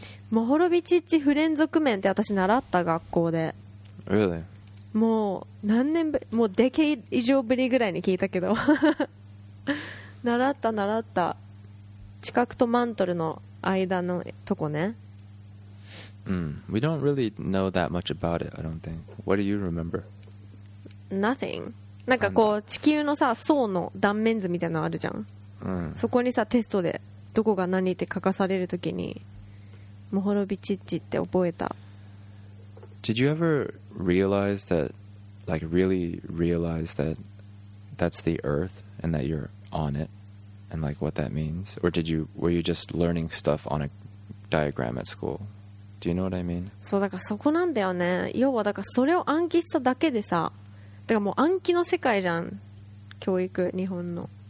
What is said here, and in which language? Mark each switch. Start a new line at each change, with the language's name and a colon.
Japanese: モホロビチッチ不連続面って私習った学校で、
English: really?
Japanese: もう何年ぶり、もうデケイ以上ぶりぐらいに聞いたけど習った習った、地殻とマントルの間のとこね。
English: We don't really know that much about it, I don't think. What do you remember? Nothing.
Japanese: なんかこう地球のさ層の断面図みたいなのあるじゃん、そこにさテストでどこが何って書かされるときにモホロビチッチって覚えた。
English: Did you ever realize that, like really realize that that's the earth and that you're on it and like what that means? Or did you, were you just learning stuff on a diagram at school? Do you know what I mean?
Japanese: そうだからそこなんだよね。要はだからそれを暗記しただけでさ、だからもう暗記の世界じゃん教育日本の。